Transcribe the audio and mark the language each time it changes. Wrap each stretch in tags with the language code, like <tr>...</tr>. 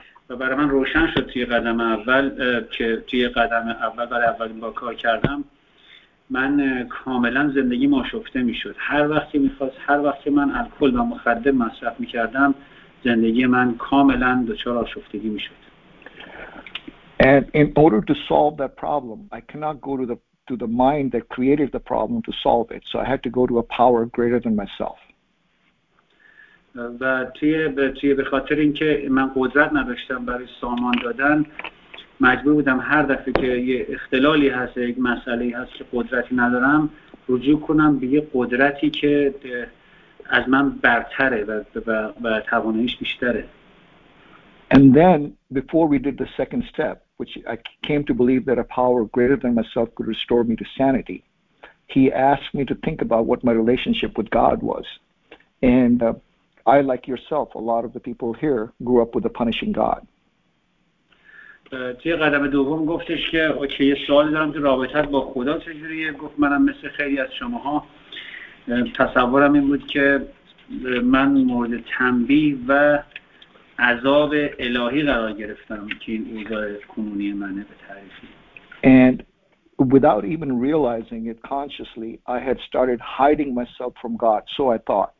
<fa>و برای من روشن شد توی قدم اول که توی قدم اول برای اولین بار کار کردم، من کاملا زندگی ما شفته می شد. هر وقت که من الکل و مخدر مصرف می کردم، زندگی من کاملا دچار آشفتگی می شد.</fa> <en>And in order to solve that problem, I cannot go to the mind that created the problem to solve it. So I had to go to a power greater than myself.</en> <fa>و توی به خاطر اینکه من قدرت نداشتم برای سامان دادن، مجبور بودم هر دفعه که یه اختلالی هست، یک مسئله هست که قدرتی ندارم، رجوع کنم به یه قدرتی که از من برتره و تواناییش بیشتره.</fa> <en>And then before we did the second step, which I came to believe that a power greater than myself could restore me to sanity, he asked me to think about what my relationship with God was. And I, like yourself, a lot of the people here grew up with a punishing God.</en> <fa>توی قدم دوم گفتش که اوکی، یه سوالی دارم که رابطت با خدا چجوریه. گفت منم مثل خیلی از شماها تصورم این بود که من مورد تنبیه و عذاب الهی قرار گرفتم، که این اوضاع کنونی منه به تعریفی.</fa> <en>And without even realizing it consciously, I had started hiding myself from God. So I thought.</en>